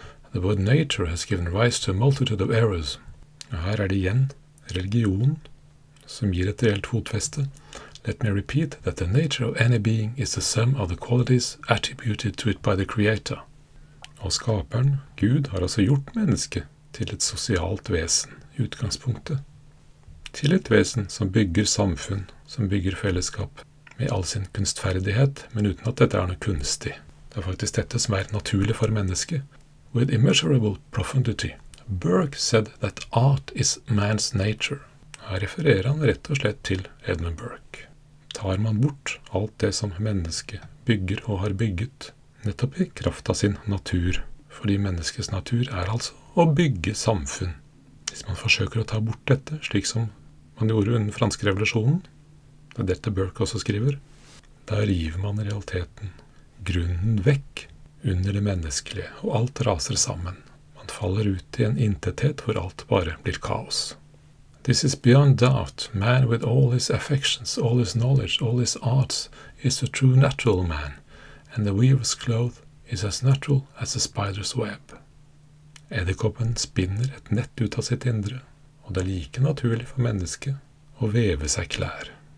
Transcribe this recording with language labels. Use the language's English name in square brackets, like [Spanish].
[English] The word nature has given rise to a multitude of errors. [Norwegian] Og her det igjen religion som gir et reelt fotfeste. [English] Let me repeat that the nature of any being is the sum of the qualities attributed to it by the creator. [Norwegian] Og skaperen, Gud, har altså gjort mennesket til et sosialt vesen i utgangspunktet. Til et vesen som bygger samfunn, som bygger fellesskap med all sin kunstferdighet, men uten at dette noe kunstig. Det faktisk dette som naturlig for mennesket. [English] With immeasurable profundity, Burke said that art is man's nature. [Norwegian] Her refererer han rett og slett til Edmund Burke. Tar man bort alt det som mennesket bygger og har bygget, nettopp i kraft av sin natur, fordi menneskets natur altså å bygge samfunn. Hvis man forsøker å ta bort dette, slik som man gjorde under den franske revolusjonen, det dette Burke også skriver, da river man i realiteten grunnen vekk under det menneskelige, og alt raser sammen. Man faller ut i en intethet hvor alt bare blir kaos. [English] This is beyond doubt. Man with all his affections, all his knowledge, all his arts, is a true natural man, and the weaver's cloth is as natural as a spider's web. [Norwegian] Edderkoppen spinner et nett ut av sitt indre, og det like naturlig for mennesket å veve seg klær.